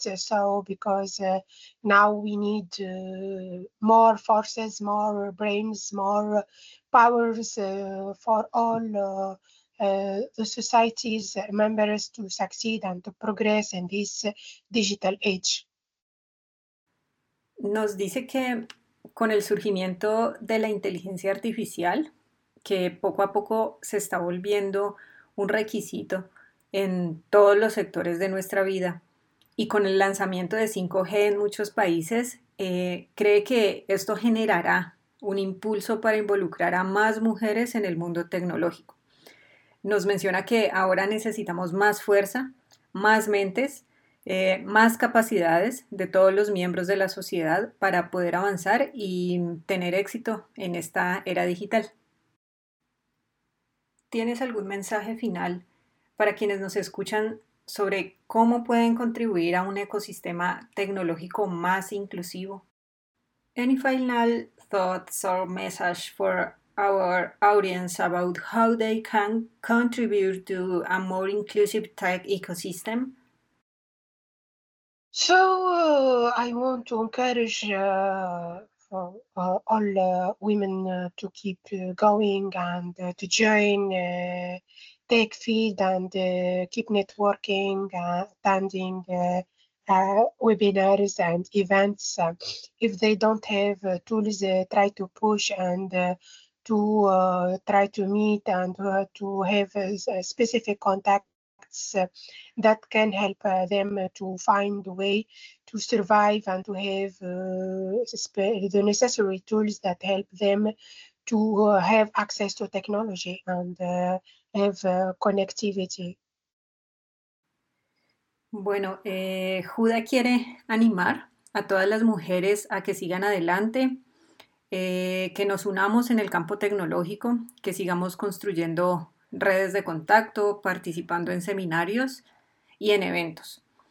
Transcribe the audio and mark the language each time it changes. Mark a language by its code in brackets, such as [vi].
[en] So because now we need more forces, more brains, more powers for all the society's members to succeed and to progress in this digital age. [es] Nos dice que con el surgimiento de la inteligencia artificial, que poco a poco se está volviendo un requisito en todos los sectores de nuestra vida, y con el lanzamiento de 5G en muchos países, ¿cree que esto generará un impulso para involucrar a más mujeres en el mundo tecnológico? Nos menciona que ahora necesitamos más fuerza, más mentes, más capacidades de todos los miembros de la sociedad para poder avanzar y tener éxito en esta era digital. ¿Tienes algún mensaje final para quienes nos escuchan sobre cómo pueden contribuir a un ecosistema tecnológico más inclusivo? [en] Any final thoughts or message for our audience about how they can contribute to a more inclusive tech ecosystem? So I want to encourage all women to keep going and to join tech field and keep networking, attending webinars and events. If they don't have tools, try to push and to try to meet and to have a specific contact that can help them to find a way to survive and to have the necessary tools that help them to have access to technology and have connectivity. [es] Bueno, Huda quiere animar a todas las mujeres a que sigan adelante, que nos unamos en el campo tecnológico, que sigamos construyendo redes de contacto, participando en seminarios y en eventos.